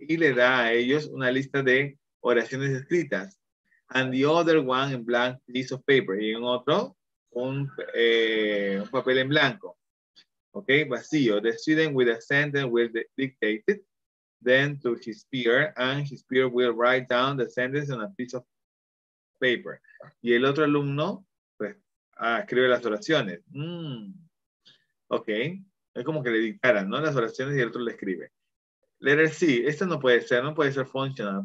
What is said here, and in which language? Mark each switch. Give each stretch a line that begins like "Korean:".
Spanish: Y le da a ellos una lista de oraciones escritas.
English: And the other one in blank piece of paper.
Spanish: Y en otro, un papel en blanco. ¿Ok? Vacío.
English: The student with a sentence will dictate it. Then to his peer. And his peer will write down the sentence on a piece of paper.
Spanish: Y el otro alumno, pues, escribe las oraciones. ¿Ok? Es como que le dictaran, ¿no? Las oraciones y el otro le escribe.
English: Letter C.
Spanish: Esto no puede ser. No puede ser functional.